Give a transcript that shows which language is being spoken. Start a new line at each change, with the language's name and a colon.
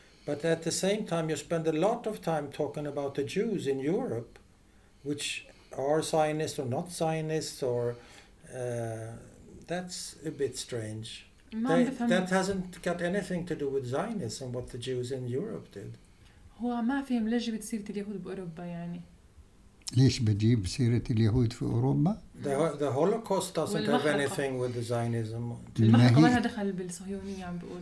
English: But at the same time, you spend a lot of time talking about the Jews in Europe, which are Zionists or not Zionists, or that's a bit strange. That hasn't got anything to do with Zionists and what the Jews in Europe did.
Arabic: هو ما فهم ليش بتصير اليهود بأوروبا يعني. ليش بجيب سيرة اليهود في أوروبا؟
English: The Holocaust doesn't have anything with the Zionism.
Arabic: المحرقة ما دخل بالصهيونية عم بقول.